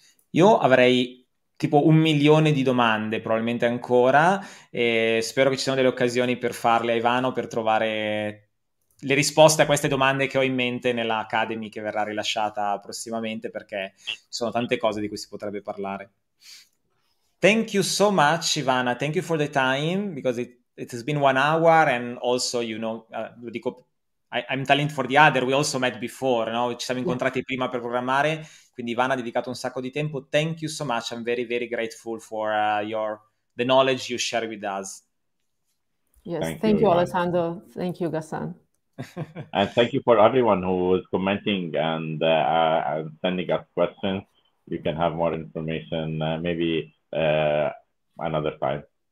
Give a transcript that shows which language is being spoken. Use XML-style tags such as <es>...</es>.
<it>Io avrei tipo 1 milione di domande, probabilmente ancora, e spero che ci siano delle occasioni per farle a Ivano, per trovare le risposte a queste domande che ho in mente nella Academy che verrà rilasciata prossimamente, perché ci sono tante cose di cui si potrebbe parlare.</it> <en>Thank you so much, Ivana. Thank you for the time, because it has been 1 hour, and also, you know,</en> <it>lo dico,</it> <en>I'm talent for the other, we also met before, no?</en> <it>Ci siamo incontrati prima per programmare, quindi Ivana ha dedicato un sacco di tempo.</it> <en>Thank you so much, I'm very, very grateful for the knowledge you share with us. Yes, thank you Alessandro, thank you Ghassan. And thank you for everyone who is commenting and sending us questions. You can have more information maybe another time.</en>